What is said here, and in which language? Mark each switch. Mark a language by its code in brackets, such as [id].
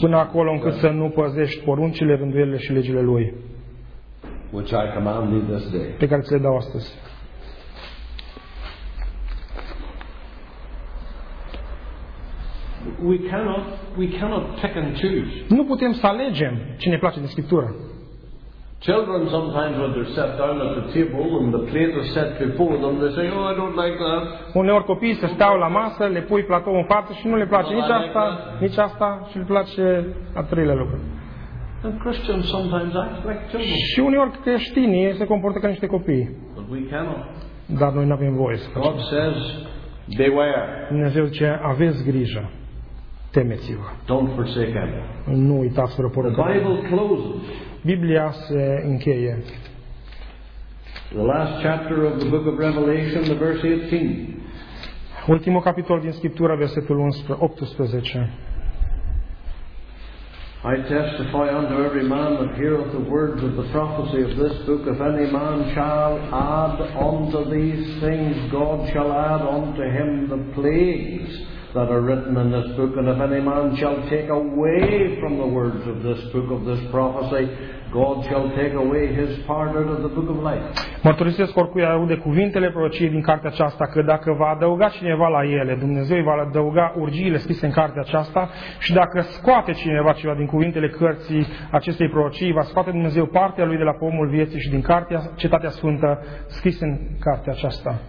[ro] Până acolo încât să nu păzești poruncile, rânduielile și legile lui. [en] Which I command thee this day. [ro] Pe care ți le dau astăzi. [en] We cannot pick and choose. [ro] Nu putem să alegem ce ne place din Scriptură. [en] Children sometimes when they're set down at the table and the plate is set before them, they say, "Oh, I don't like that." [ro] Uneori copiii se stau la masă, le pui platou în față și nu le place nici asta, nici asta, și le place a treilea lucru. [en] And Christians sometimes act like children. [ro] Și uneori creștinii se comportă ca niște copii. [en] But we cannot. [ro] Dar noi nu avem voie să facem. [en] God says, "Beware." [ro] Dumnezeu zice, aveți grijă. Temeți-vă. [en] Don't forsake him. [ro] Nu uitați să răpurăm. [en] The Bible closes. [ro] Biblia se încheie. [en] The last chapter of the book of Revelation, the verse 18. [ro] Ultimul capitol din Scriptură, versetul 18. [en] I testify unto every man that heareth the words of the prophecy of this book, if any man shall add unto these things, God shall add unto him the plagues that are written in this book. And if any man shall take away from the words of this book, of this prophecy, God shall take away his part out of the book of life. [ro] Mărturisesc oricui aude cuvintele prorociei din cartea aceasta că dacă va adăuga cineva la ele, Dumnezeu îi va adăuga urgiile scrise în cartea aceasta, și dacă scoate cineva ceva din cuvintele cărții acestei prorocii, va scoate Dumnezeu partea lui de la pomul vieții și din cartea, cetatea sfântă scrisă în cartea aceasta.